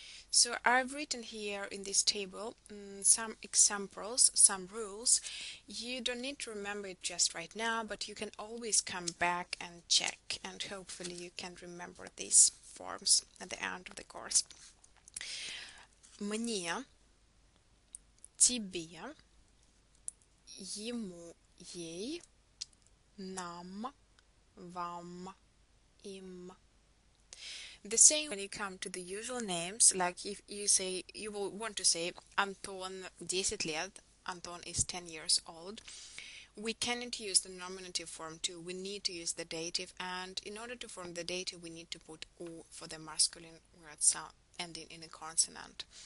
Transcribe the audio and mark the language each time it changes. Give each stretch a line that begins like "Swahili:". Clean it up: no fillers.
English: So I've written here in this table some examples, some rules. You don't need to remember it just right now, but you can always come back and check, and hopefully you can remember these forms at the end of the course.
Russian: Мне, тебе, ему, ей, нам, вам, им.
English: The same when you come to the usual names, like if you say you will want to say Anton 10 лет, Anton is 10 years old. We cannot use the nominative form too. We need to use the dative, and in order to form the dative, we need to put o for the masculine word sound ending in a consonant.